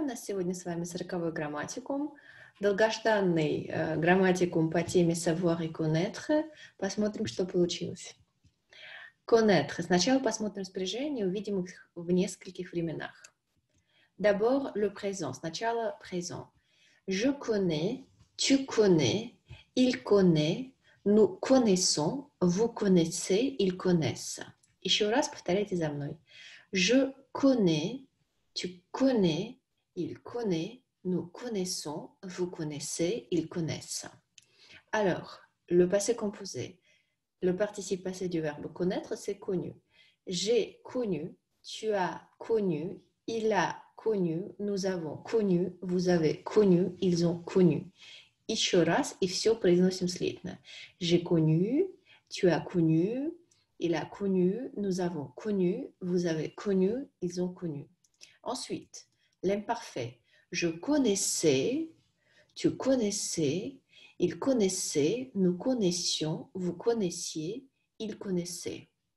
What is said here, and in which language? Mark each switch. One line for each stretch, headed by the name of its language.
Russian: У нас сегодня с вами 40-й грамматикум, долгожданный грамматикум по теме savoir и connaître. Посмотрим, что получилось.
French: Connaître.
Russian: Сначала посмотрим спряжение, увидим их в нескольких временах.
French: D'abord le présent.
Russian: Сначала
French: présent. Je connais, tu connais, il connaît, nous connaissons, vous connaissez, ils connaissent.
Russian: Еще раз повторяйте за мной.
French: Je connais, tu connais, il connaît, nous connaissons, vous connaissez, ils connaissent. Alors, le passé composé, le participe passé du verbe connaître, c'est connu. J'ai connu, tu as connu, il a connu, nous avons connu, vous avez connu, ils ont connu.
Russian: Еще раз, и все произносим слитно.
French: J'ai connu, tu as connu, il a connu, nous avons connu, vous avez connu, ils ont connu. Ensuite, l'imparfait. Je connaissais, tu connaissais, il connaissait, nous connaissions, vous connaissiez, ils connaissaient.